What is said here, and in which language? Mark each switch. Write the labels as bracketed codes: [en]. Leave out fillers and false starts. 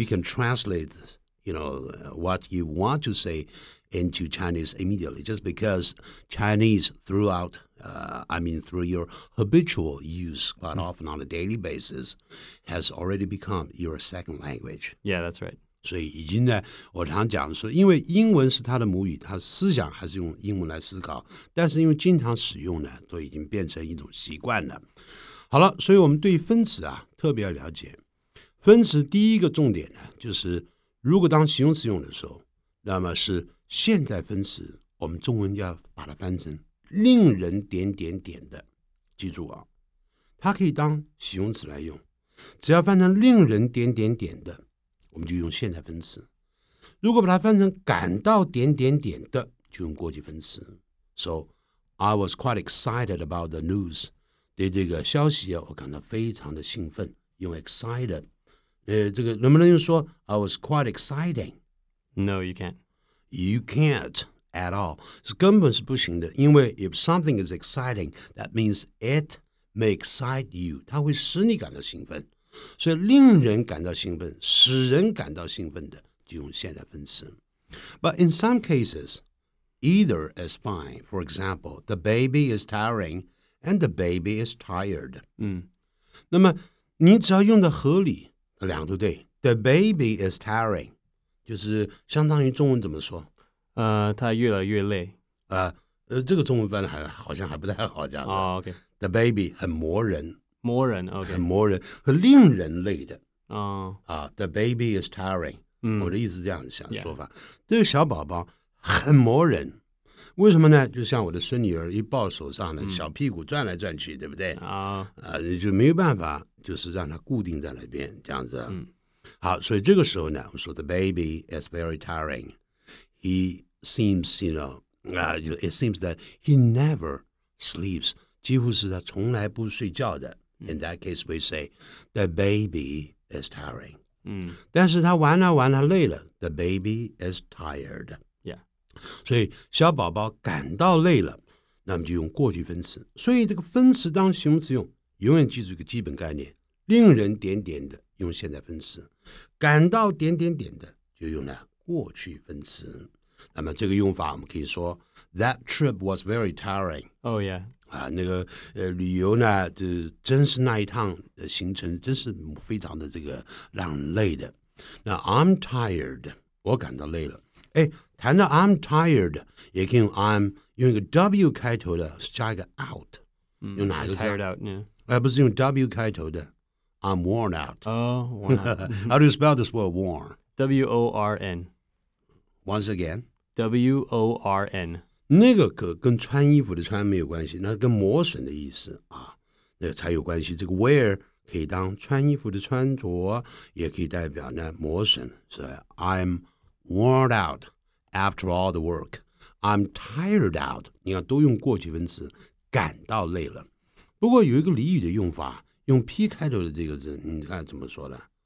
[en] you can translate, you know, what you want to say into Chinese immediately, just because Chinese throughout... through your habitual use quite often on a daily basis has already become your second language. Yeah, that's right. [zh] 所以已经呢我常讲说因为英文是他的母语，他思想还是用英文来思考，但是因为经常使用呢都已经变成一种习惯了。好了，所以我们对分词啊特别要了解。分词第一个重点呢就是如果当形容词用的时候，那么是现在分词，我们中文要把它翻成令人点点点的，记住啊，它可以当形容词来用，只要翻成令人点点点的，我们就用现在分词。如果把它翻成感到点点点的，就用过去分词。 [en] So, I was quite excited about the news. [zh] 对这个消息啊，我感到非常的兴奋，用 excited。这个能不能用说 [en] I was quite exciting? No, you can't. You can't. At all, [zh] 是根本是不行的，因为 [en] if something is exciting, that means it may excite you, [zh] 它会使你感到兴奋，所以令人感到兴奋，使人感到兴奋的，就用现在分词。 [en] But in some cases, either is fine. For example, the baby is tiring, and the baby is tired. [zh] 那么你只要用的合理，两个都对。 [en] The baby is tiring, [zh] 就是相当于中文怎么说？他越来越累。这个中文翻译还好像还不太好讲。 [en] OK, the baby [zh] 很磨人，磨人 OK, 很磨人，很令人累的。 [en] The baby is tiring. [zh] 我的意思是这样想说法。这个小宝宝很磨人，为什么呢？就像我的孙女儿一抱手上的小屁股转来转去，对不对？就没有办法，就是让它固定在那边这样子。好，所以这个时候呢，我说 [en] the baby is very tiring. He seems, you know, it seems that he never sleeps. [zh] 几乎是他从来不睡觉的。 [en] In that case, we say, the baby is tiring. [zh] 但是他玩啊玩啊累了。 [en] The baby is tired. Yeah. [zh] 所以小宝宝感到累了，那么就用过去分词。所以这个分词当形容词用，永远记住一个基本概念，令人点点的用现在分词，感到点点点的就用了过去分词。那么这个用法我们可以说 [en] That trip was very tiring. Oh yeah. [zh] 啊，那个旅游呢，这真是那一趟的行程真是非常的这个让人累的。那 [en] I'm tired， [zh] 我感到累了。哎，谈到 I'm tired， 也可以用 I'm 用一个 W 开头的，加一个 out，用哪一个字 [en] ？Tired out， [zh] 而不是用 W 开头的。 [en] I'm worn out. Oh, worn out. How do you spell this word worn? W-O-R-N. Once again. W-O-R-N. [zh] 那个可跟穿衣服的穿没有关系，那跟磨损的意思啊，那个、才有关系。这个 wear 可以当穿衣服的穿着，也可以代表呢磨损。 [en] 所以 I'm worn out after all the work. I'm tired out. [zh] 你看都用过去分词，感到累了。不过有一个俚语的用法。用 P 开头的这个字，你看怎么说的